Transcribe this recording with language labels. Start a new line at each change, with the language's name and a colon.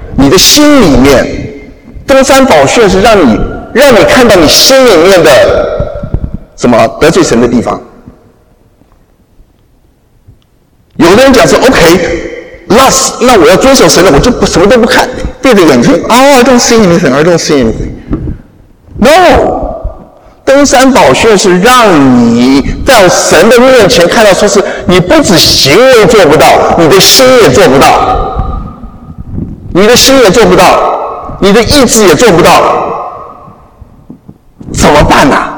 Chinese: 你的心里面，登山宝训是让你看到你心里面的什么得罪神的地方。有的人讲说 OK， lust， 那我要遵守神的，我就不什么都不看，闭着眼睛。
English: Oh， I don't see anything， I don't see anything。
Chinese: No， 登山宝训是让你在神的面前看到说是你不止行为做不到，你的心也做不到，你的心也做不到，你的意志也做不到，怎么办呢？